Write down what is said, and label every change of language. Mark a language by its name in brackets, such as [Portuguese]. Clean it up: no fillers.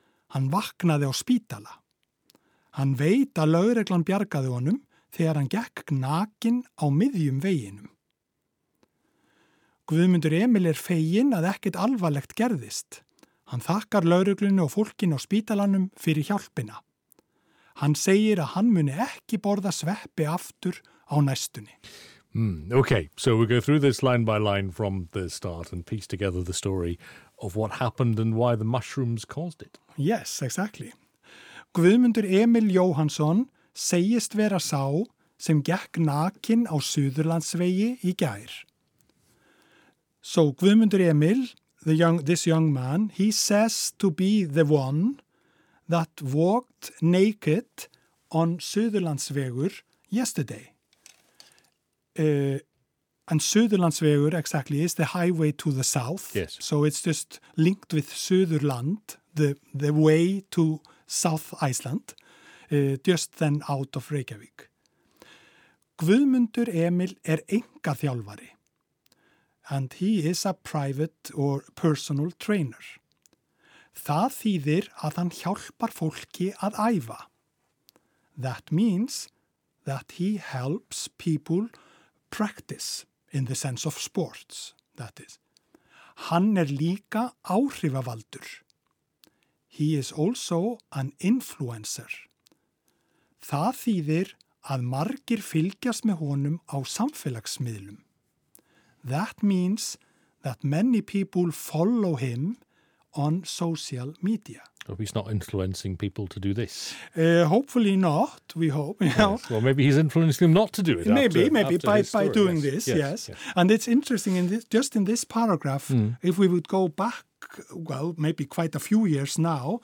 [Icelandic] Hann vaknaði á spítala. Hann veit að lögreglan bjargaði honum þegar hann gekk nakin á miðjum veginum. Guðmundur Emil er fegin að ekkit alvarlegt gerðist. Hann þakkar lögreglunni og fólkinu á spítalanum fyrir hjálpina. Hann segir að hann muni ekki borða sveppi aftur á næstunni. [English] Okay, so we go through this line by line from the start and piece together the story of what happened and why the mushrooms caused it. Yes, exactly. [Icelandic] Guðmundur Emil Jóhannsson segist vera sá sem gekk nakin á Suðurlandsvegi í gær. [English] So Guðmundur Emil, this young man, he says to be the one that walked naked on Suðurlandsvegur yesterday. And Suðurlandsvegur exactly is the highway to the south. Yes. So it's just linked with Suðurland, the way to South Iceland, just then out of Reykjavík. [Icelandic] Guðmundur Emil er einkaþjálfari. [English] And he is a private or personal trainer. [Icelandic] Það þýðir að hann hjálpar fólki að æfa. [English] That means that he helps people practice in the sense of sports, that is. [Icelandic] Hann er líka áhrifavaldur. [English] He is also an influencer. [Icelandic] Það þýðir að margir fylgjast með honum á samfélagsmiðlum. [English] That means that many people follow him on social media. Hope he's not influencing people to do this. Hopefully not, we hope. You know? Yes. Well, maybe he's influencing them not to do it. Maybe by doing this. And it's interesting, in this paragraph, if we would go back, well, maybe quite a few years now,